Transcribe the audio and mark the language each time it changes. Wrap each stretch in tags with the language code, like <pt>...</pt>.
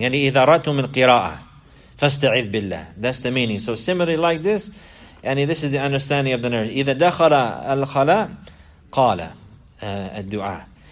<ar>يعني إذا رأت من قراءة فاستعذ بالله.</ar> <en>That's the meaning. So similarly like this, يعني this is the understanding of the narrative.</en> <ar>إذا دخل الخلاء قال الدعاء.</ar>